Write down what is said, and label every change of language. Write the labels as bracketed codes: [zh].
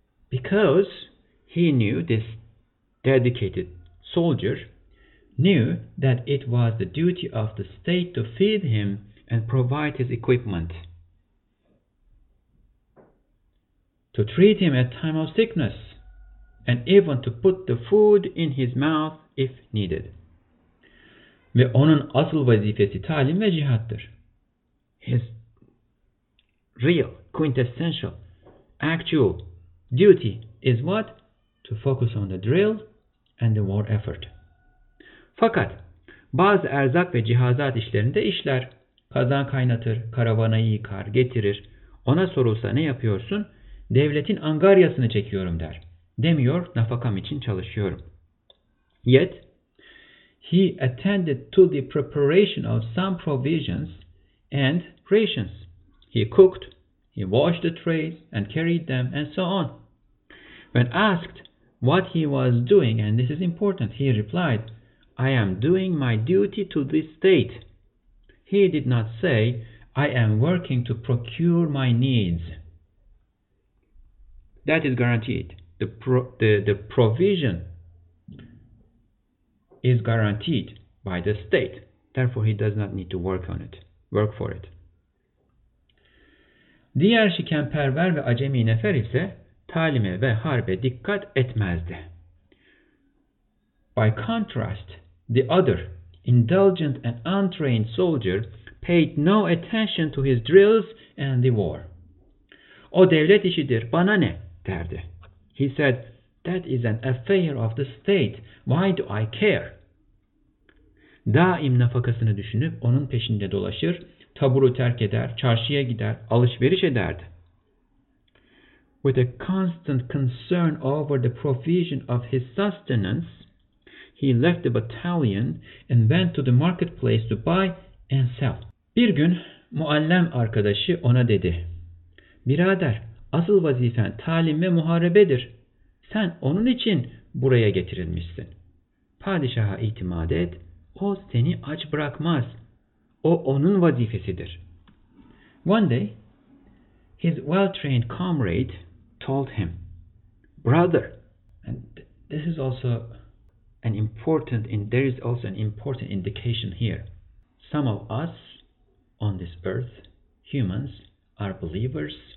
[en] Because he knew, this dedicated soldier knew, that it was the duty of the state to feed him and provide his equipment, to treat him at time of sickness, and even to put the food in his mouth if needed. [tr] Ve onun asıl vazifesi talim ve cihattır. [en] His real, quintessential, actual duty is what? To focus on the drill and the war effort. [tr] Fakat bazı erzak ve cihazat işlerinde işler. Kazan kaynatır, karavanayı yıkar, getirir. Ona sorulsa ne yapıyorsun? Devletin angaryasını çekiyorum der. Demiyor, nafakam için çalışıyorum. [en] Yet, he attended to the preparation of some provisions and rations. He cooked, he washed the trays and carried them and so on. When asked what he was doing, and this is important, he replied, I am doing my duty to this state. He did not say, I am working to procure my needs. That is guaranteed. The provision is guaranteed by the state. Therefore, he does not need to work on it, work for it. [tr] Diğer şikenperver ve acemi nefer ise talime ve harbe dikkat etmezdi. [en] By contrast, the other, indulgent and untrained soldier, paid no attention to his drills and the war. [tr] O devlet işidir, bana ne? Derdi. [en] He said, that is an affair of the state. Why do I care? [tr] Daim nafakasını düşünüp onun peşinde dolaşır, taburu terk eder, çarşıya gider, alışveriş ederdi. [en] With a constant concern over the provision of his sustenance, he left the battalion and went to the marketplace to buy and sell. [tr] Bir gün muallem arkadaşı ona dedi, birader, asıl vazifen talim ve muharebedir. Sen onun için buraya getirilmişsin. Padişaha itimat et, o seni aç bırakmaz. O onun vazifesidir. [en] One day, his well-trained comrade told him, brother, and this is also an important, and there is also an important indication here. Some of us on this earth, humans, are believers.